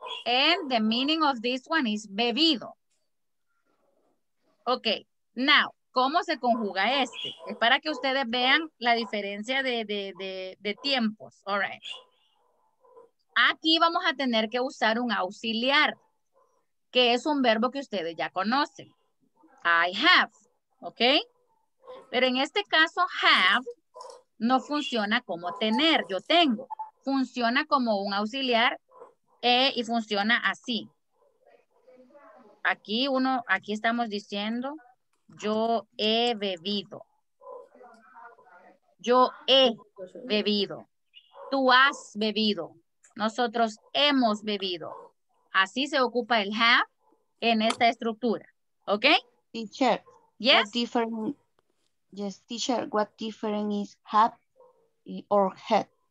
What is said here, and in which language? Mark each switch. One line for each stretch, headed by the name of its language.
English: And the meaning of this one is bebido.
Spanish: Okay, now, ¿cómo se conjuga este? Es para que ustedes vean la diferencia de tiempos.
English: All right.
Spanish: Aquí vamos a tener que usar un auxiliar, que es un verbo que ustedes ya conocen.
English: I have,
Spanish: okay? Pero en este caso, have no funciona como tener, yo tengo. Funciona como un auxiliar y funciona así. Aquí uno, aquí estamos diciendo, yo he bebido. Yo he bebido. Tú has bebido. Nosotros hemos bebido. Así se ocupa el have en esta estructura. ¿Ok?
English: Teacher. Yes. What different, yes, teacher, what different is have or had?